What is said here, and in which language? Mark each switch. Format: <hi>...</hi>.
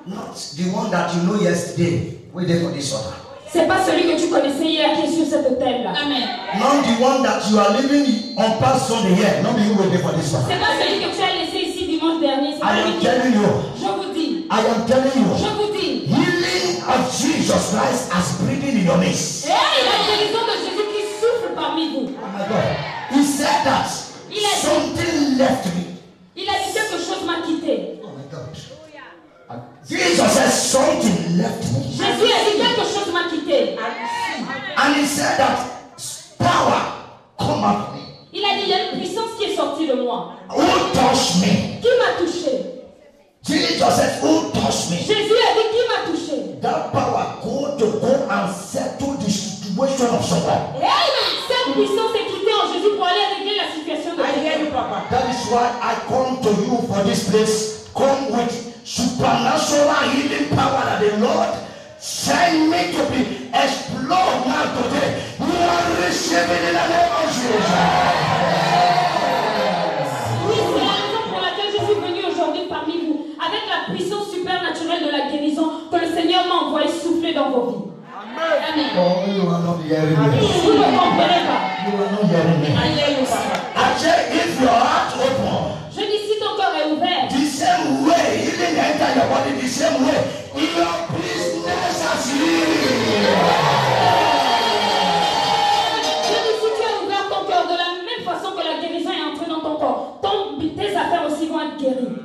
<en>not the one that you know yesterday with the disorder.</en> <fr>C'est pas celui que tu connaissais hier qui est sur cette terre là.</fr> <en>Amen. Not the one that you are living on past Sunday here. Not the one with the disorder.</en> <fr>C'est pas celui que tu as laissé ici dimanche dernier.</fr> <en>I am telling you.</en> <fr>Je vous dis.</fr> <en>I am telling you.</en> <fr>Je vous dis.</fr> <en>Healing of Jesus Christ has breathing in your midst.</en> <fr>Et la guérison de Jésus qui souffle parmi vous.</fr> <en>Oh my God. He said that.</en> <fr>Il a</fr> <en>something</en> <fr>dit.</fr> <en>Left me.</en> <fr>Il a dit quelque chose m'a quitté.</fr> <en>Oh my God. Jesus has something left me.</en> <fr>Jésus a dit quelque chose m'a quitté.</fr> <en>And he said that power come out of me.</en> <fr>Il a dit il y a une puissance qui est sortie de moi.</fr> <en>Who touched me?</en> <fr>Qui m'a touché?</fr> <en>Jesus said, who touched me?</en> <fr>Jésus a dit qui m'a touché?</fr> <en>That power go to go and settle the situation of someone. Amen.</en> <fr>Cette puissance est quittée en Jésus pour aller régler la situation.</fr> <en>That is why I come to you for this place. Come with supernatural healing power that the Lord sent me to be explored now today. You are receiving in the name of Jesus.</en> <fr>Oui, c'est la raison pour laquelle je suis venu aujourd'hui parmi vous avec la puissance supernaturelle de la guérison que le Seigneur m'a envoyé souffler dans vos vies.</fr> <en>Amen. Oh, you are not hearing me.</en> <fr>Vous ne comprenez pas.</fr> <en>You are not hearing me. If your heart open,</en> <fr>je dis si ton cœur est ouvert.</fr> <en>The same way, healing enter your body. The same way, in your business as healing.</en> <fr>Je dis si tu as ouvert ton cœur de la même façon que la guérison est entrée dans ton corps, tes affaires aussi vont être guéries.</fr>